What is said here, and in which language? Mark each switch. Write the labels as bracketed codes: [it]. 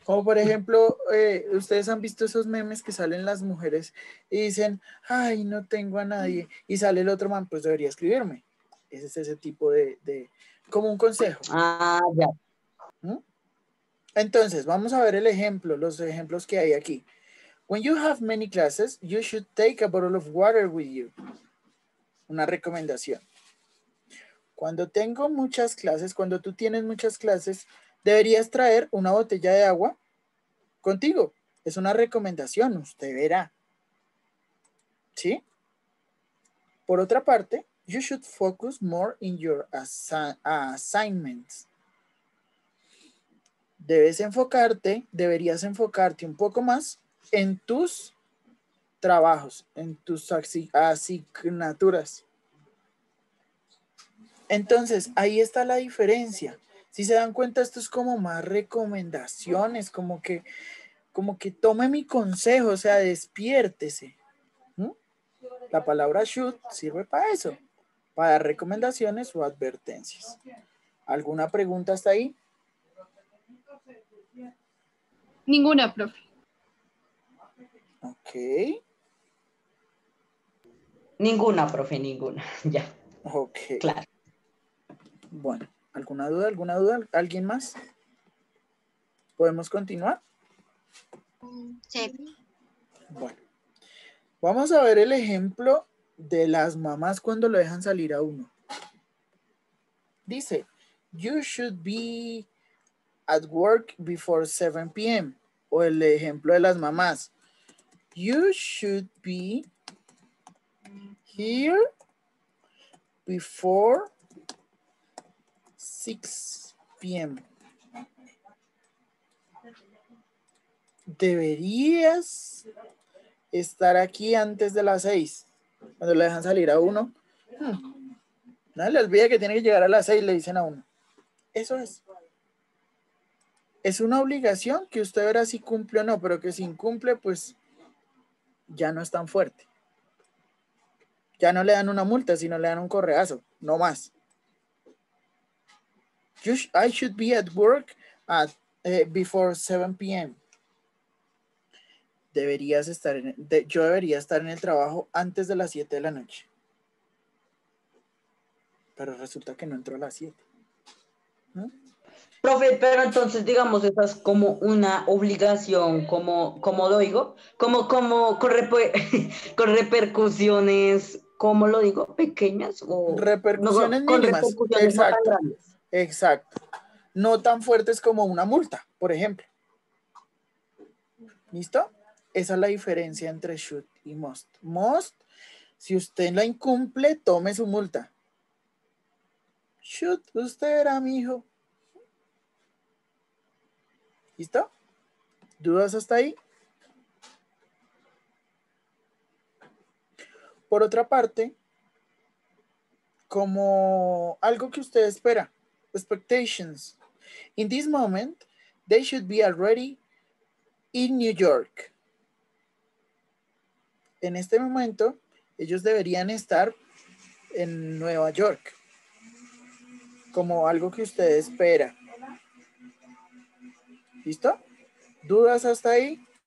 [es] Como por ejemplo, ustedes han visto esos memes que salen las mujeres y dicen, ay, no tengo a nadie. Y sale el otro man, pues debería escribirme. Ese es ese tipo de como un consejo. Ah, ya. ¿Mm? Entonces, vamos a ver el ejemplo, los ejemplos que hay aquí. [en] When you have many classes, you should take a bottle of water with you. [es] Una recomendación. Cuando tengo muchas clases, cuando tú tienes muchas clases, deberías traer una botella de agua contigo. Es una recomendación, usted verá. ¿Sí? Por otra parte, [en] you should focus more in your assignments. [es] Deberías enfocarte un poco más en tus trabajos, en tus asignaturas. Entonces, ahí está la diferencia. Si se dan cuenta, esto es como más recomendaciones, como que tome mi consejo, o sea, despiértese. ¿Mm? La palabra should sirve para eso, para recomendaciones o advertencias. ¿Alguna pregunta hasta ahí? Ninguna, profe. Ok. Ninguna, profe, ninguna. Ya. Ok. Claro. Bueno, ¿alguna duda? ¿Alguien más? ¿Podemos continuar? Sí. Bueno, vamos a ver el ejemplo de las mamás cuando lo dejan salir a uno. Dice, [en] you should be at work before 7 p.m. [es] O el ejemplo de las mamás. [en] You should be here before 6 p.m. [es] Deberías estar aquí antes de las 6. Cuando le dejan salir a uno. No le olvide que tiene que llegar a las 6, le dicen a uno. Eso es. Es una obligación que usted verá si cumple o no, pero que si incumple, pues ya no es tan fuerte. Ya no le dan una multa, sino le dan un correazo, no más. [en] I should be at work before 7 p.m. [es] Yo debería estar en el trabajo antes de las 7 de la noche. Pero resulta que no entró a las 7. ¿No? Profe, pero entonces digamos, esa es como una obligación, como lo digo, como con repercusiones, ¿cómo lo digo? ¿Pequeñas? O repercusiones no, mínimas, exacto. Exacto. No tan fuertes como una multa, por ejemplo. ¿Listo? Esa es la diferencia entre should y must. Must, si usted la incumple, tome su multa. Should, usted era mi hijo. ¿Listo? ¿Dudas hasta ahí? Por otra parte, como algo que usted espera. [en] Expectations. In this moment, they should be already in New York. [es] En este momento, ellos deberían estar en Nueva York. Como algo que usted espera. ¿Listo? ¿Dudas hasta ahí?